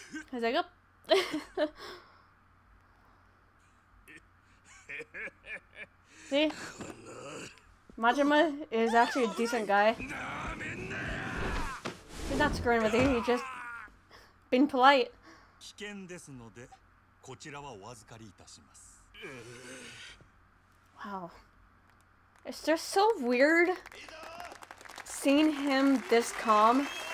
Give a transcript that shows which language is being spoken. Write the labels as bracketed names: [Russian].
[English] He's like, oop! See? Majima is actually a decent guy. He's not screwing with you, he's just being polite. [Japanese] 危険ですので、こちらはお預かりいたします。 [English] Wow. It's just so weird seeing him this calm.